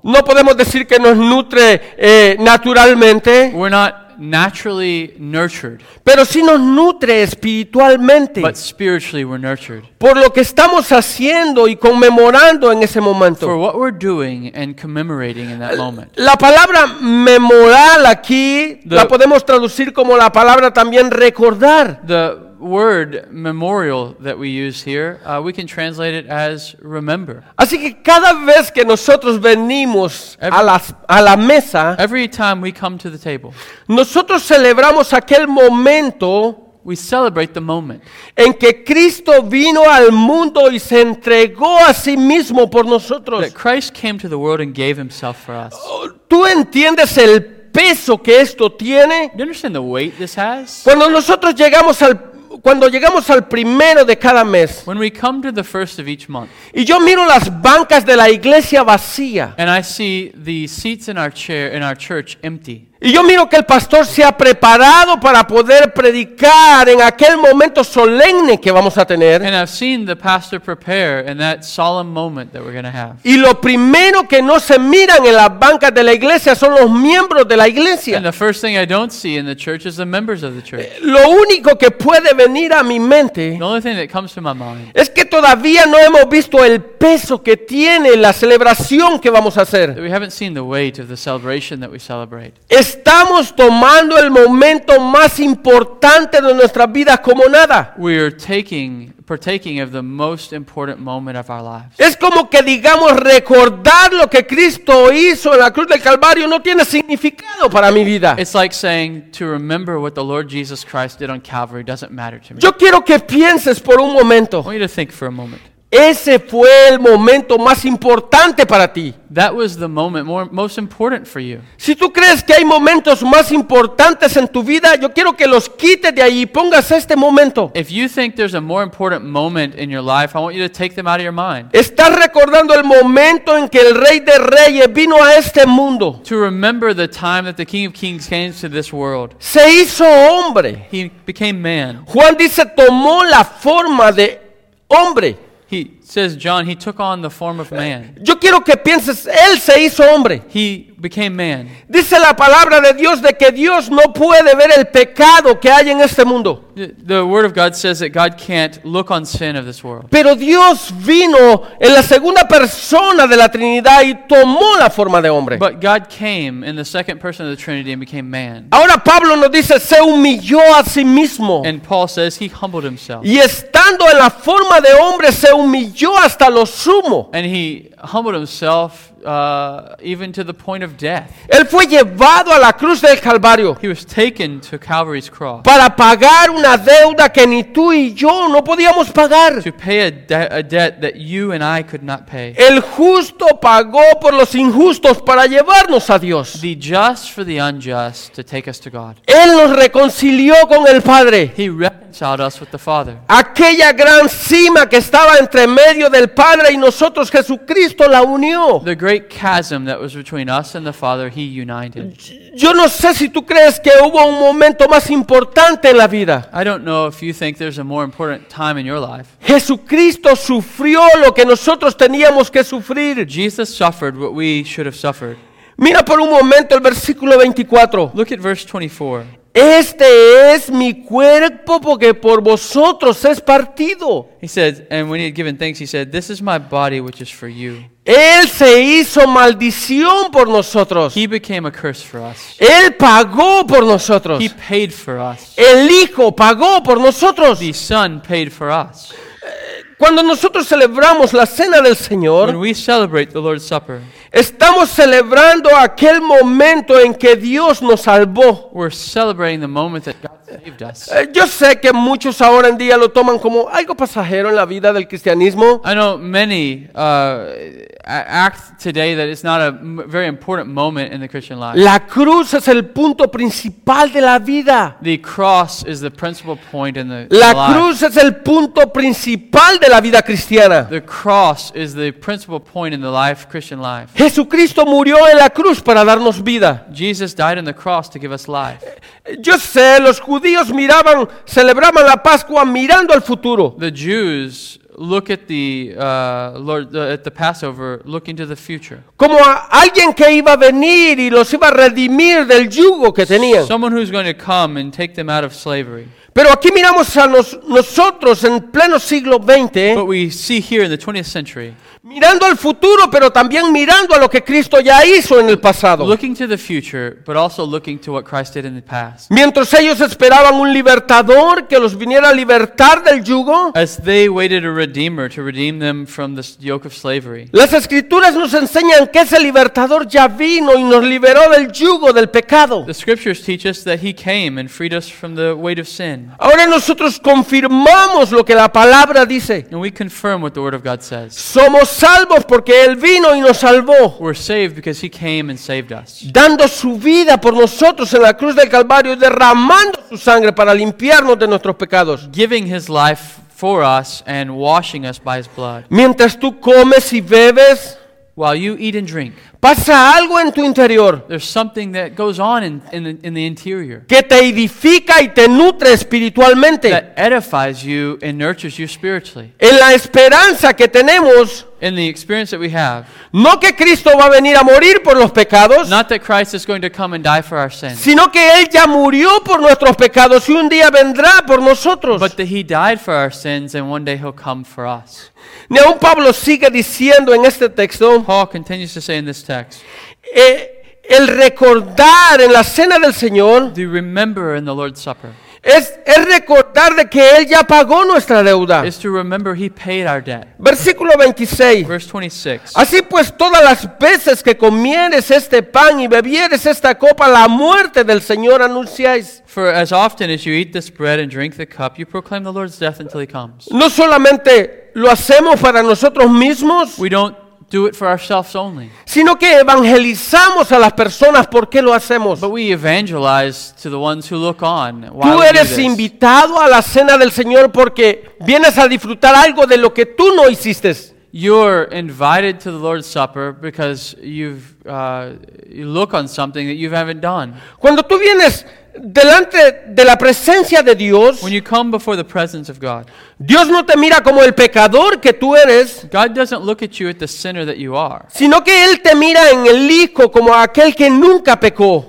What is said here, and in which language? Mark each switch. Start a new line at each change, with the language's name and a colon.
Spanish: No podemos decir que nos nutre naturalmente.
English: We're not naturally nurtured.
Spanish: Pero sí nos nutre espiritualmente.
English: But spiritually we're nurtured.
Spanish: Por lo que estamos haciendo y conmemorando en ese momento.
English: For what we're doing and commemorating in that moment.
Spanish: La palabra memorar aquí la podemos traducir como la palabra también recordar.
English: The word memorial that we use here, we can translate it as remember.
Spanish: Así que cada vez que nosotros venimos a la mesa,
English: every time we come to the table,
Spanish: nosotros celebramos aquel momento.
English: We celebrate the moment
Spanish: en que Cristo vino al mundo y se entregó a sí mismo por nosotros.
English: That Christ came to the world and gave himself for us.
Spanish: ¿Tú entiendes el peso que esto tiene?
English: Do you understand the weight this has?
Spanish: Cuando nosotros llegamos al Cuando llegamos al primero de cada mes,
English: when we come to the first of each month,
Spanish: y yo miro las bancas de la iglesia vacía,
English: and I see the seats in our church empty,
Spanish: y yo miro que el pastor se ha preparado para poder predicar en aquel momento solemne que vamos a tener,
English: and I've seen the pastor prepare in that solemn moment that we're going to have,
Spanish: y lo primero que no se miran en las bancas de la iglesia son los miembros de la iglesia,
English: and the first thing I don't see in the church is the members of the church.
Spanish: Lo único que puede venir a mi mente,
English: the only thing that comes to my mind,
Spanish: es que todavía no hemos visto el peso que tiene la celebración que vamos a hacer.
English: We haven't seen the weight of the celebration that we celebrate.
Spanish: Estamos tomando el momento más importante de nuestra vida como nada.
English: We are partaking of the most important moment of our lives.
Spanish: Es como que digamos recordar lo que Cristo hizo en la cruz del Calvario no tiene significado para mi vida.
English: It's like saying to remember what the Lord Jesus Christ did on Calvary doesn't matter to me.
Spanish: Yo quiero que pienses por un momento.
English: I want you to think for a moment.
Spanish: Ese fue el momento más importante para ti.
English: That was the moment most important for you.
Spanish: Si tú crees que hay momentos más importantes en tu vida, yo quiero que los quites de ahí y pongas este momento.
English: If you think there's a more important moment in your life, I want you to take them out of your mind.
Spanish: Estás recordando el momento en que el Rey de Reyes vino a este mundo.
English: To remember the time that the King of Kings came to this world.
Spanish: Se hizo hombre.
English: He became man.
Spanish: Juan dice tomó la forma de hombre.
English: He says, John, he took on the form of man.
Spanish: Yo quiero que pienses, él se hizo hombre.
English: He became man.
Spanish: Dice la palabra de Dios de que Dios no puede ver el pecado que hay en este mundo.
English: The word of God says that God can't look on sin of this world.
Spanish: Pero Dios vino en la segunda persona de la Trinidad y tomó la forma de hombre.
English: But God came in the second person of the Trinity and became man.
Spanish: Ahora Pablo nos dice, se humilló a sí mismo.
English: And Paul says he humbled himself.
Spanish: Y estando en la forma de hombre, se humilló. humilló hasta lo sumo.
English: And he humbled himself even to the point of death.
Spanish: Él fue llevado a la cruz del Calvario.
English: He was taken to Calvary's cross.
Spanish: Para pagar una deuda que ni tú y yo no podíamos pagar.
English: To pay a debt that you and I could not pay.
Spanish: El justo pagó por los injustos para llevarnos a Dios.
English: The just for the unjust to take us to God.
Spanish: Él nos reconcilió con el Padre.
English: He reconciled us with the Father.
Spanish: Aquella gran cima que estaba entre medio del Padre y nosotros, Jesucristo la unió.
English: The great chasm that was between us and the Father, he united.
Spanish: Yo no sé si tú crees que hubo un momento más importante en la vida.
English: I don't know if you think there's a more important time in your life.
Spanish: Jesucristo sufrió lo que nosotros teníamos que sufrir.
English: Jesus suffered what we should have suffered.
Spanish: Mira por un momento el versículo 24.
English: Look at verse 24.
Spanish: Este es mi cuerpo porque por vosotros es partido.
English: He said, and when he had given thanks, he said, this is my body which is for you.
Spanish: Él se hizo maldición por nosotros.
English: He became a curse for us.
Spanish: Él pagó por nosotros.
English: He paid for us.
Spanish: El Hijo pagó por nosotros.
English: The Son paid for us.
Spanish: Cuando nosotros celebramos la cena del Señor,
English: when we celebrate the Lord's Supper,
Spanish: estamos celebrando aquel momento en que Dios nos salvó.
English: We're celebrating the moment that God saved us.
Spanish: Yo sé que muchos ahora en día lo toman como algo pasajero en la vida del cristianismo.
English: I know many act today that it's not a very important moment in the Christian life.
Spanish: La cruz es el punto principal de la vida.
English: The cross is the principal point in the
Spanish: la
English: life.
Spanish: La cruz es el punto principal de la vida cristiana.
English: The cross is the principal point in the life, Christian life.
Spanish: Jesucristo murió en la cruz para darnos vida.
English: Jesus died on the cross to give us life.
Spanish: Yo sé, los judíos miraban, celebraban la Pascua mirando al futuro.
English: The Jews look at the at the Passover, looking to the future.
Spanish: Como a alguien que iba a venir y los iba a redimir del yugo que tenían.
English: Someone who's going to come and take them out of slavery.
Spanish: Pero aquí miramos a nosotros en pleno siglo XX.
English: But we see here in the 20th century.
Spanish: Mirando al futuro, pero también mirando a lo que Cristo ya hizo en el pasado.
English: Looking to the future, but also looking to what Christ did in the past.
Spanish: Mientras ellos esperaban un libertador que los viniera a libertar del yugo.
English: As they waited a redeemer to redeem them from the yoke of slavery.
Spanish: Las escrituras nos enseñan que ese libertador ya vino y nos liberó del yugo del pecado.
English: The scriptures teach us that he came and freed us from the weight of sin.
Spanish: Ahora nosotros confirmamos lo que la palabra dice.
English: And we confirm what the word of God says.
Spanish: Somos salvos porque Él vino y nos salvó.
English: We're saved because He came and saved us.
Spanish: Dando su vida por nosotros en la cruz del Calvario, derramando su sangre para limpiarnos de nuestros pecados.
English: Giving His life for us and washing us by His blood.
Spanish: Mientras tú comes y bebes,
English: while you eat and drink,
Spanish: pasa algo en tu interior.
English: There's something that goes on in the interior.
Spanish: Que te edifica y te nutre espiritualmente.
English: That edifies you and nurtures you spiritually.
Spanish: En la esperanza que tenemos.
English: In the experience that we have.
Spanish: No que Cristo va a venir a morir por los pecados.
English: Not that Christ is going to come and die for our sins.
Spanish: Sino que Él ya murió por nuestros pecados y un día vendrá por nosotros.
English: But that He died for our sins and one day He'll come for us.
Spanish: Ni aun Pablo sigue diciendo en este texto.
English: Paul continues to say in this text.
Spanish: El recordar en la cena del Señor.
English: The remember in the Lord's Supper.
Spanish: Es recordar de que Él ya pagó nuestra deuda.
English: Is to remember He paid our debt.
Spanish: Versículo 26.
English: Verse 26.
Spanish: Así pues, todas las veces que comieres este pan y bebieres esta copa, la muerte del Señor anunciáis.
English: For as often as you eat this bread and drink the cup, you proclaim the Lord's death until He comes.
Spanish: No solamente lo hacemos para nosotros mismos.
English: We don't do it for ourselves only.
Spanish: Sino que evangelizamos a las personas por qué lo hacemos.
English: But we evangelize to the ones who look on.
Spanish: Tú eres invitado a la cena del Señor porque vienes a disfrutar algo de lo que tú no hiciste.
English: You're invited to the Lord's Supper because you look on something that you haven't done.
Spanish: Cuando tú vienes delante de la presencia de Dios,
English: when you come before the presence of God,
Spanish: Dios no te mira como el pecador que tú eres,
English: God doesn't look at you at the sinner that you are,
Spanish: sino que Él te mira en el Hijo como aquel que nunca pecó.